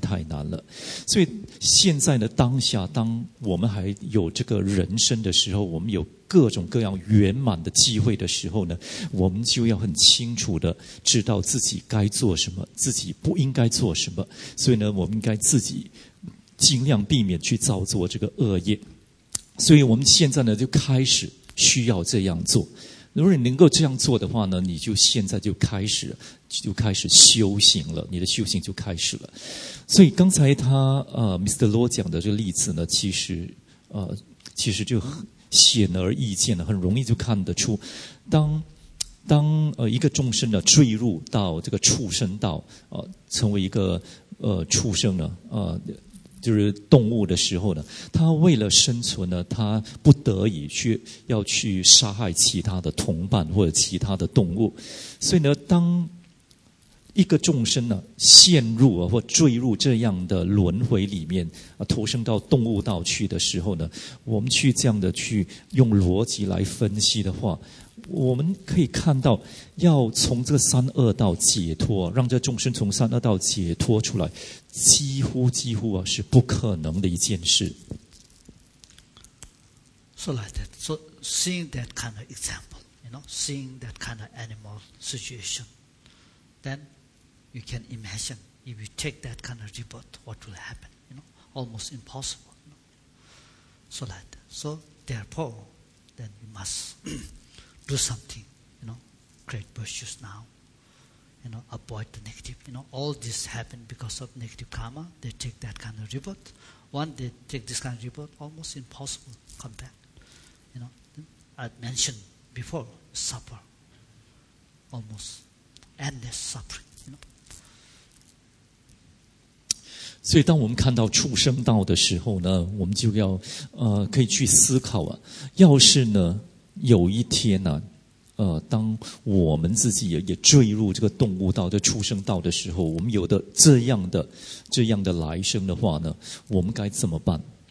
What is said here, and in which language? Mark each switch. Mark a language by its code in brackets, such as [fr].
[en] So, we should try to avoid falling into these evil. [zh] 所以我们现在呢就开始需要这样做。如果你能够这样做的话呢，你就现在就开始修行了，你的修行就开始了。所以刚才他Mr. Law 讲的这个例子呢，其实就显而易见了，很容易就看得出，当一个众生呢坠入到这个畜生道，成为一个畜生呢，就是动物的时候呢，他为了生存呢，他不得已要去杀害其他的同伴或者其他的动物。所以呢，当一个众生呢陷入或坠入这样的轮回里面，投生到动物道去的时候呢，我们去这样的去用逻辑来分析的话，我们可以看到要从这个三恶道解脱，让这众生从三恶道解脱出来，几乎是不可能的一件事。 [en] So like that, so seeing that kind of example, you know, seeing that kind of animal situation, then you can imagine if you take that kind of rebirth, what will happen, you know, almost impossible, you know? So like that, so therefore, then you must do something, you know, great virtues now, you know, avoid the negative. You know, all this happened because of negative karma. They take that kind of rebirth. One, they take this kind of rebirth, almost impossible to come back. You know, I'd mentioned before, suffer, almost endless suffering. [zh] 所以当我们看到畜生道的时候呢，我们就要可以去思考啊，要是呢有一天呢，当我们自己也坠入这个动物道、这畜生道的时候，我们有的这样的来生的话呢，我们该怎么办？